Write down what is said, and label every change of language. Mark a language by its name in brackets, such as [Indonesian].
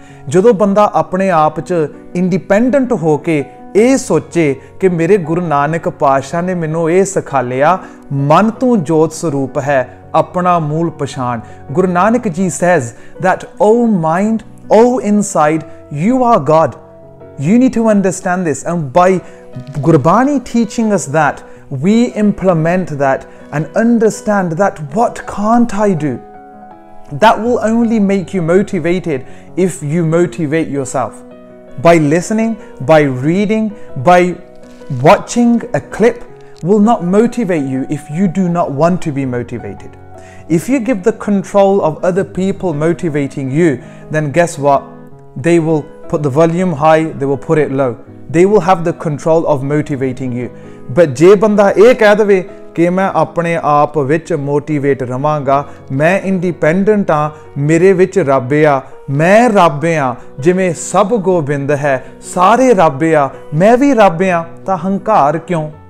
[Punjabi] ਜਦੋਂ ਬੰਦਾ ਆਪਣੇ ਆਪ 'ਚ ਇੰਡੀਪੈਂਡੈਂਟ ਹੋ ਕੇ ਇਹ ਸੋਚੇ ਕਿ ਮੇਰੇ ਗੁਰੂ ਨਾਨਕ ਪਾਤਸ਼ਾਹ ਨੇ ਮੈਨੂੰ ਇਹ ਸਿਖਾ ਲਿਆ, ਮਨ ਤੋਂ ਜੋਤ ਸਰੂਪ ਹੈ ਆਪਣਾ ਮੂਲ ਪਛਾਣ। [English] Guru Nanak ji says that oh mind, oh inside, you are God, you need to understand this. And by Gurbani teaching us that, we implement that and understand that what can't I do, that will only make you motivated if you motivate yourself by listening, by reading, by watching a clip will not motivate you if you do not want to be motivated. If you give the control of other people motivating you, then guess what, they will put the volume high, they will put it low, they will have the control of motivating you. [Punjabi] But ਜੇ ਬੰਦਾ ਇਹ ਕਹਿ ਦੇਵੇ ਕਿ ਮੈਂ ਆਪਣੇ ਆਪ ਵਿੱਚ ਮੋਟੀਵੇਟ ਰਹਾਂਗਾ, ਮੈਂ ਇੰਡੀਪੈਂਡੈਂਟ ਹਾਂ, ਮੇਰੇ ਵਿੱਚ ਰੱਬ ਆ, ਮੈਂ ਰੱਬ ਹਾਂ, ਜਿਵੇਂ ਸਭ ਗੋਬਿੰਦ ਹੈ ਸਾਰੇ ਰੱਬ ਆ, ਮੈਂ ਵੀ ਰੱਬ ਹਾਂ, ਤਾਂ ਹੰਕਾਰ ਕਿਉਂ?